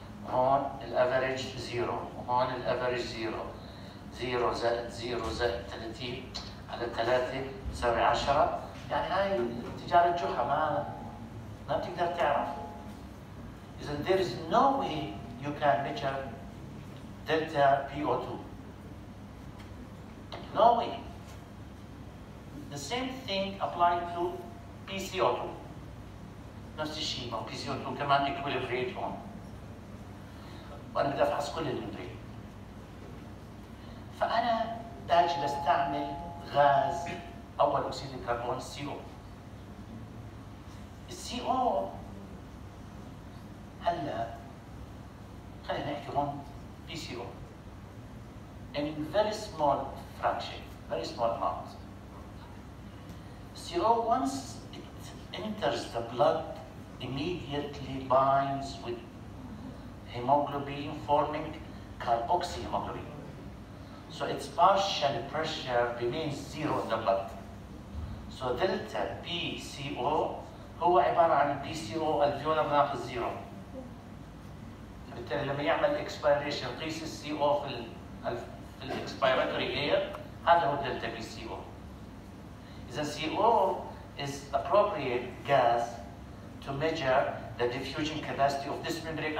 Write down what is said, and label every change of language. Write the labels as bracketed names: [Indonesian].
[Arabic] هون الأفريج 0، هون الأفريج 0. 0 زائد 0 زائد 30 على 3 يساوي 10. يعني هاي تجارة جحا، ما بتقدر تعرف. [English] إذا there is no way you can measure delta PO2. No way. The same thing applied to PCO2. [Arabic] نفس الشيء، ما PCO2 كمان equilibrate هون. وأنا بدي أفحص كل الممبرين. فأنا داجي بستعمل غاز أول أكسيد الكربون CO. CO هلا خلينا نحكي هون PCO. [English] In very small fraction, very small amount. CO once it enters the blood immediately binds with hemoglobin forming carboxyhemoglobin. So its partial pressure remains zero in the blood. So delta PCO [Arabic] هو عبارة عن [English] PCO alveolar ناقص zero. [Arabic] بالتالي لما يعمل expiration قيس CO في ال expiratory air هذا هو delta PCO. [English] إذا CO is appropriate gas to measure the diffusion capacity of this membrane.